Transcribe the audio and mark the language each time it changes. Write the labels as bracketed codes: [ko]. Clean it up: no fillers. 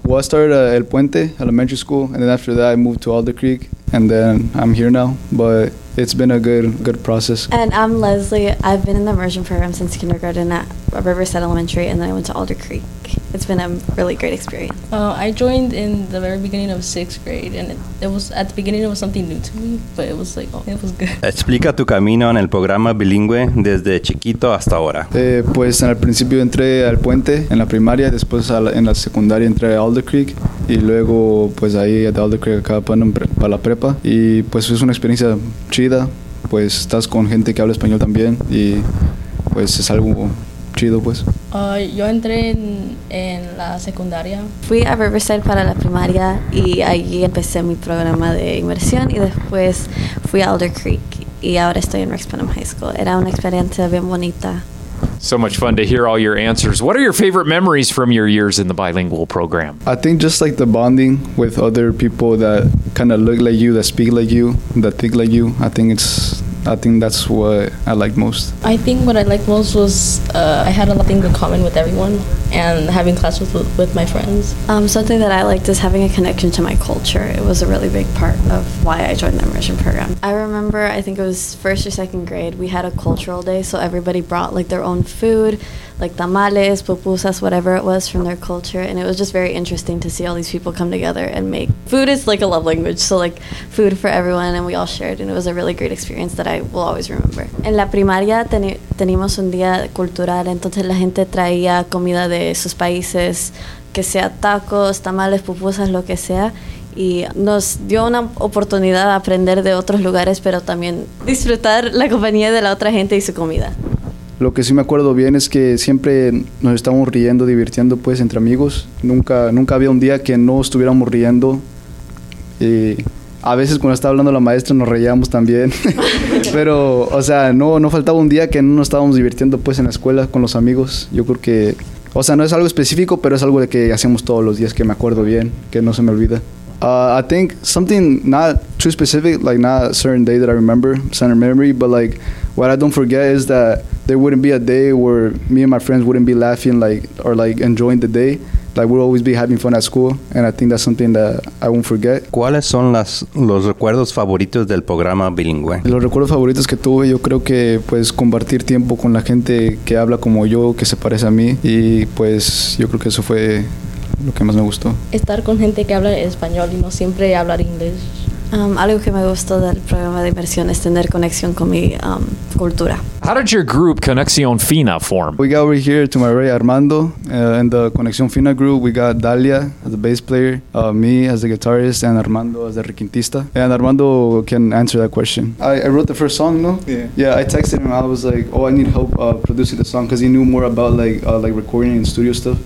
[en] Well, I started at El Puente Elementary School, and then after that, I moved to Alder Creek, and then I'm here now, but it's been a good process. And I'm Leslie. I've been in the immersion program since kindergarten at Riverside Elementary, and then I went to Alder Creek. It's been a really great experience. I joined in the very beginning of sixth grade, and it was at the beginning it was something new to me, but it was like, oh, it was good. [es] Explica tu camino en el programa bilingüe desde chiquito hasta ahora. Pues en el principio entré al Puente en la primaria, después en la secundaria entré a Alder Creek, y luego pues ahí de Alder Creek acá para la prepa, y pues es una experiencia chida, pues estás con gente que habla español también, y pues es algo chido, pues. Yo entré en la secundaria. Fui a Riverside para la primaria, y allí empecé mi programa de inmersión, y después fui a Alder Creek, y ahora estoy en Rex Putnam High School. Era una experiencia bien bonita. [en] So much fun to hear all your answers. What are your favorite memories from your years in the bilingual program? I think just like the bonding with other people that kind of look like you, that speak like you, that think like you. I think that's what I like most. I think what I liked most was I had a lot of things in common with everyone and having class with my friends. Something that I liked is having a connection to my culture. It was a really big part of why I joined the immersion program. I remember, I think it was first or second grade, we had a cultural day, so everybody brought like their own food, like tamales, pupusas, whatever it was from their culture, and it was just very interesting to see all these people come together and make food. Is like a love language, so like food for everyone, and we all shared, and it was a really great experience that I will always remember. [es] En la primaria tenemos un día cultural, entonces la gente traía comida de sus países, que sea tacos, tamales, pupusas, lo que sea, y nos dio una oportunidad de aprender de otros lugares, pero también disfrutar la compañía de la otra gente y su comida. Lo que sí me acuerdo bien es que siempre nos estábamos riendo, divirtiendo pues entre amigos. Nunca había un día que no estuviéramos riendo. A veces cuando estaba hablando la maestra nos reíamos también. Pero, o sea, no faltaba un día que no nos estábamos divirtiendo pues en la escuela con los amigos. Yo creo que, o sea, no es algo específico, pero es algo de que hacemos todos los días que me acuerdo bien, que no se me olvida. [en] I think something not too specific, like not a certain day that I remember, center memory, but like what I don't forget is that there wouldn't be a day where me and my friends wouldn't be laughing or enjoying the day. Like we'll always be having fun at school, and I think that's something that I won't forget. [es] ¿Cuáles son los recuerdos favoritos del programa bilingüe? Los recuerdos favoritos que tuve, yo creo que pues compartir tiempo con la gente que habla como yo, que se parece a mí, y pues yo creo que eso fue lo que más me gustó. Estar con gente que habla español y no siempre hablar inglés. Algo que me gustó del programa de inmersión es tener conexión con mi cultura. [en] How did your group Conexión Fina form? We got over here to my right, Armando. In the Conexión Fina group, we got Dalia as the bass player, me as the guitarist, and Armando as the requintista. And Armando can answer that question. I wrote the first song, no? Yeah. Yeah, I texted him. I was like, oh, I need help producing the song, because he knew more about like recording and studio stuff.